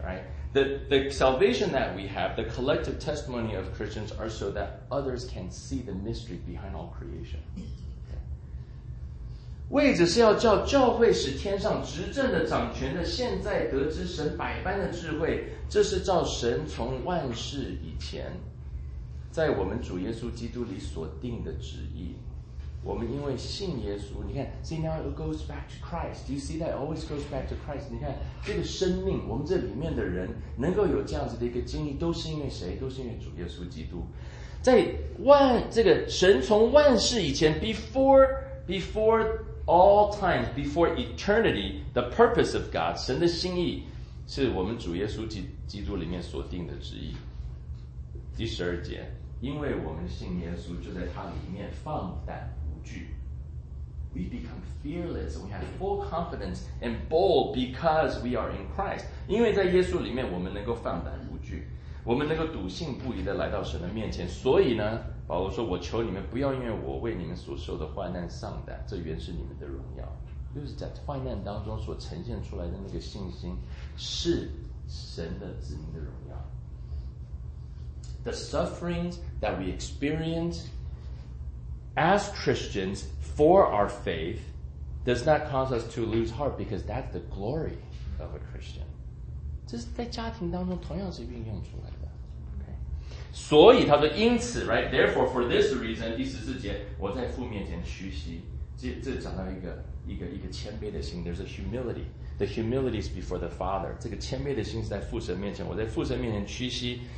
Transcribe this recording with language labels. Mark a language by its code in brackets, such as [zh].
[en] Right, the salvation that we have, the collective testimony of Christians are so that others can see the mystery behind all creation. [zh] 为着是要叫教会使天上执政的掌权的现在得知神百般的智慧，这是照神从万事以前在我们主耶稣基督里所定的旨意我们因为信耶稣，你看 [en] ，see now it goes back to Christ. Do you see that? It always goes back to Christ. [zh] 你看这个生命，我们这里面的人能够有这样子的一个经历，都是因为谁？都是因为主耶稣基督。在万这个神从万事以前 ， [en] before all times, before eternity, the purpose of God, [zh] 神的心意是我们主耶稣基督里面所定的旨意。第十二节，因为我们信耶稣，就在他里面放胆。 [en] We become fearless. We have full confidence and bold because we are in Christ. [zh] 因为在耶稣里面，我们能够放胆无惧，我们能够笃信不疑的来到神的面前。所以呢，保罗说：“我求你们不要因为我为你们所受的患难丧胆，这原是你们的荣耀。” 就是在患难当中所呈现出来的那个信心，是神的子民的荣耀。 [en] The sufferings that we experience. As Christians, for our faith, does not cause us to lose heart because that's the glory of a Christian. [zh] 这是在家庭当中同样是运用出来的。 Okay. 所以他说因此 [en] right, therefore, for this reason, [zh] 第十四节我在父面前屈膝。这讲到一个谦卑的心 [en] there's a humility. The humility is before the Father. [zh] 这个谦卑的心是在父神面前我在父神面前屈膝。